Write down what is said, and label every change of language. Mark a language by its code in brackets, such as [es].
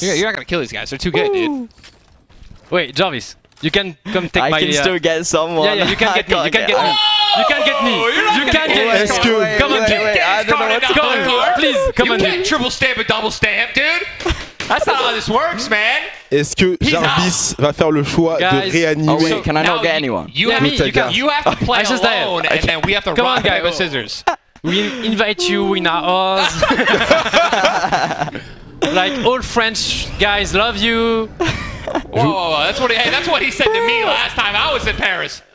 [en] You're not gonna kill these guys, they're too good, ooh, dude. Wait, Jarvis, you can come take my... I can still get someone. Yeah, you can get me, you can get me. You can get me. Come on, dude. You can't triple stamp a double stamp, dude. That's not how this works, man. [fr] Est-ce que Jarvis va faire le choix de réanimer? [en] Oh wait, can I not get anyone? You have to play alone, and then we have to rock, paper, scissors. Come on, guys, with scissors. We invite you, we not us. Like, all French guys love you. Whoa, that's what he said to me last time I was in Paris.